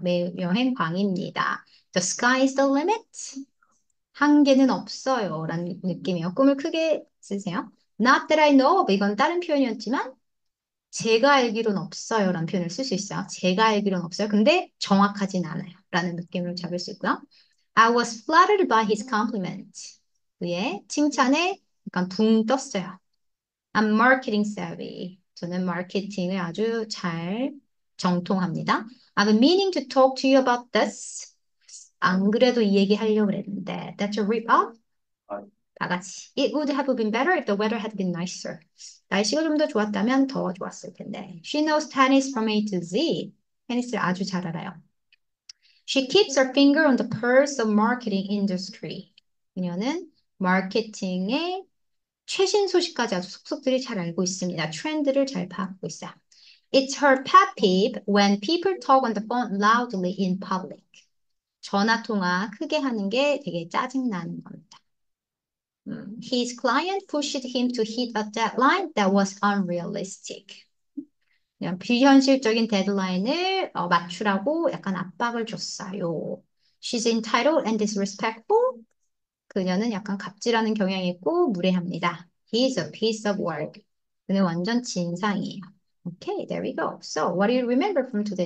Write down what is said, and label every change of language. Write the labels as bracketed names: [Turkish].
[Korean] 매우 여행광입니다. [English] The sky is the limit. [Korean] 한계는 없어요. 라는 느낌이에요. 꿈을 크게 쓰세요. [English] Not that I know of. [Korean] 이건 다른 표현이었지만, 제가 알기론 없어요. 라는 표현을 쓸수 있어요. 제가 알기론 없어요. 근데 정확하진 않아요. 라는 느낌으로 잡을 수 있고요. [English] I was flattered by his compliment. [Korean] 그의 칭찬에 약간 붕 떴어요. [English] I'm marketing savvy. [Korean] 저는 마케팅을 아주 잘 정통합니다. [English] I've been meaning to talk to you about this. [Korean] 안 그래도 이 얘기 하려고 그랬는데. [English] That's a rip-off. 바가지. It would have been better if the weather had been nicer. [Korean] 날씨가 좀더 좋았다면 더 좋았을 텐데. [English] She knows tennis from A to Z. [Korean] 테니스를 아주 잘 알아요. [English] She keeps her finger on the pulse of marketing industry. [Korean] 그녀는 마케팅의 최신 소식까지 아주 속속들이 잘 알고 있습니다. 트렌드를 잘 파악하고 있어요. [English] It's her pet peeve when people talk on the phone loudly in public. [Korean] 전화 통화 크게 하는 게 되게 짜증나는 겁니다. [English] His client pushed him to hit a deadline that was unrealistic. [Korean] 그냥 비현실적인 데드라인을 맞추라고 약간 압박을 줬어요. [English] She's entitled and disrespectful. [Korean] 그녀는 약간 갑질하는 경향이 있고 무례합니다. [English] He's a piece of work. [Korean] 그는 완전 진상이에요. [English] Okay, there we go. So, what do you remember from today's?